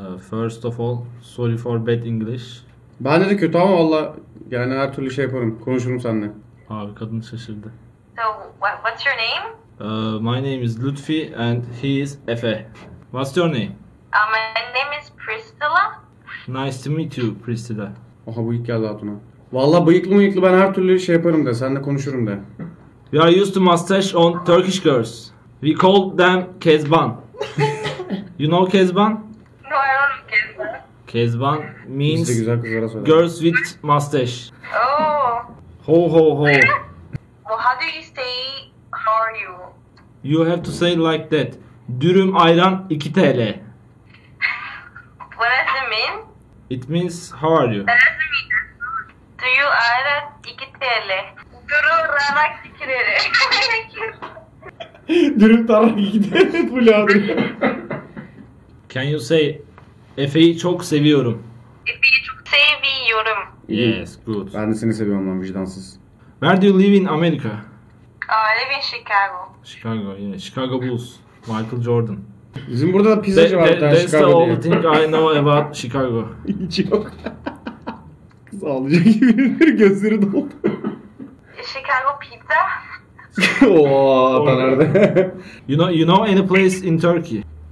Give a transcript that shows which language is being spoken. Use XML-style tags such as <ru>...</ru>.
<en>First of all, sorry for bad English.</en> <tr>Ben de kötü ama valla yani her türlü şey yaparım. Konuşurum seninle. Abi kadın şaşırdı.</tr> <en>So, what's your name? My name is Lutfi and he is Efe. What's your name? My name is Priscilla. Nice to meet you, Priscilla.</en> <tr>Oha, bıyık geldi hatuna. Valla bıyıklı mıyıklı ben her türlü şey yaparım de, seninle konuşurum de.</tr> <en>We are used to mustache on Turkish girls. We call them Kezban. You know Kezban? No, I don't know Kezban. Kezban means</en> <tr>güzel kızlara söyle.</tr> <en>Girls with mustache. Oh. Ho ho ho. Well, how do you say... How are you? You have to say like that.</en> <tr>Dürüm ayran 2 TL.</tr> <en>What does it mean? It means how are you? What does it mean?</en> <tr>Dürüm ayran 2 TL. Dürüm tarak 2 TL. Dürüm tarak 2 TL bu lan.</tr> <en>Can you say</en> <tr>Efe'yi çok seviyorum? Efe'yi çok seviyorum.</tr> <en>Yes, good.</en> <tr>Ben de seni seviyorum lan, vicdansız.</tr> <en>Where do you live in America? I live in Chicago. Chicago, yeah. Chicago Bulls. Michael Jordan.</en> <tr>Bizim burada da pizzacı var.</tr> <en>That's the only thing I know about Chicago.</en> <tr>Hiç yok. Kız ağlayacak gibi bir gözleri doldu.</tr> <en>Chicago pizza.</en> <tr>Ooo, ben nerede?</tr> <en>You know any place in Turkey?</en>